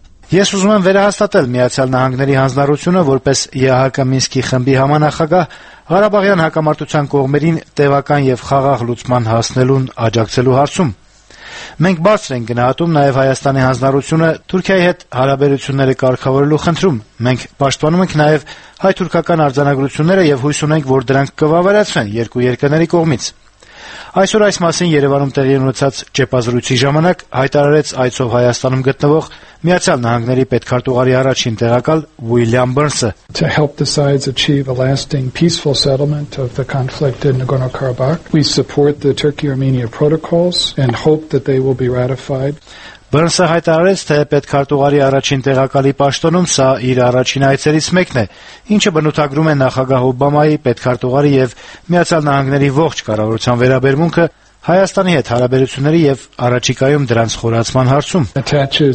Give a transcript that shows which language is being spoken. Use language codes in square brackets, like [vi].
[hy] Ես ուզում եմ վերահաստատել Միացյալ Նահանգների Հանձնարարությունը, որպես ԵԱՀԿ Մինսկի խմբի համանախագահ, Ղարաբաղյան հակամարտության կողմերին տևական և խաղաղ լուծման հասնելուն աջակցելու հարցում։ Մենք բարձր ենք գնահատում նաև Հայաստանի հանձնարարությունը Թուրքիայի հետ հարաբերությունները կարգավորելու խնդրում։ Մենք պաշտպանում ենք նաև հայ-թուրքական արձանագրությունները և հույս ունենք, որ դրանք կվավերացվեն երկու երկրների կողմից։ Այսօր այս մասին Երևանում տեղի ունեցած ճեպազրույցի ժամանակ հայտարարեց այցով Հայաստանում գտնվող Միացյալ Նահանգների պետքարտուղարի առաջին տեղակալ Ուիլյամ Բերնզը. [en] To help the sides achieve a lasting peaceful settlement of the conflict in Nagorno-Karabakh, we support the Turkey-Armenia protocols and hope that they will be ratified. [hy] Բերնզը հայտարարեց, թե պետքարտուղարի առաջին տեղակալի պաշտոնում սա իր առաջին այցերից մեկն է, ինչը բնութագրում է նախագահ Օբամայի պետքարտուղարի և Միացյալ Նահանգների ողջ կառավարության վերաբերմունքը Հայաստանի հետ հարաբերությունների և առաջիկայում դրանց խորացման